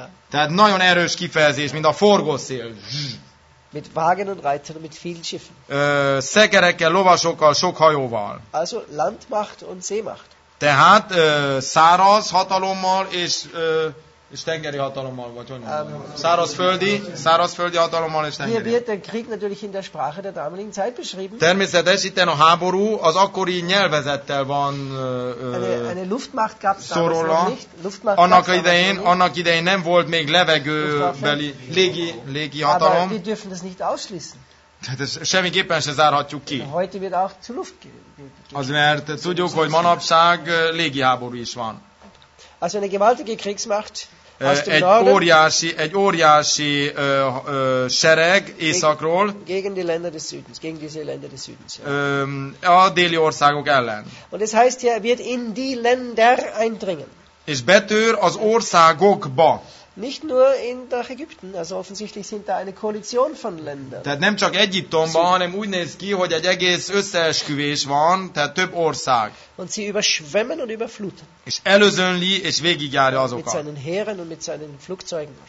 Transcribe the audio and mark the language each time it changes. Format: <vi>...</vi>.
<hu>Tehát nagyon erős kifejezés, mint a forgószél.</hu> <de>Mit Wagen und Reitern, mit vielen Schiffen.</de> <hu>Szekerekkel, lovasokkal, sok hajóval.</hu> <de>Also Landmacht und Seemacht.</de> <hu>Tehát száraz hatalommal és tengeri hatalommal, vagy hogy mondjam. Szárazföldi hatalommal és tengeri.</hu> <de>Hier wird der Krieg natürlich in der Sprache der damaligen Zeit beschrieben.</de> <hu>Természetesen itten a háború az akkori nyelvezettel van.</hu> <de>Eine Luftmacht gab es damals nicht. Luftmacht</de> <hu>annak idején nem volt még levegőbeli légi hatalom.</hu> <de>Aber wir dürfen das nicht ausschließen.</de> <hu>Tehát semmiképpen se zárhatjuk ki.</hu> <de>Heute wird auch zu Luft.</de> <hu>Az mert tudjuk, hogy manapság légi háború is van.</hu> <de>Also eine gewaltige Kriegsmacht</de> <hu>egy</hu> <de>Norden,</de> <hu>óriási sereg északról</hu> <de>gegen die Länder des Südens, gegen diese Länder des Südens.</de> <hu>A déli országok ellen.</hu> <de>Und es heißt hier, wird in die Länder eindringen.</de> <hu>És betör az országokba.</hu> <de>Nicht nur in der Ägypten, also offensichtlich sind da eine Koalition von Ländern.</de> <hu>Tehát nem csak Egyiptomban, hanem úgy néz ki, hogy egy egész összeesküvés van, tehát több ország.</hu> <de>Und sie überschwemmen und überfluten.</de> <hu>És elözönli és végigjárja azokat.</hu> <de>Mit seinen Heeren und mit seinen Flugzeugen.</de>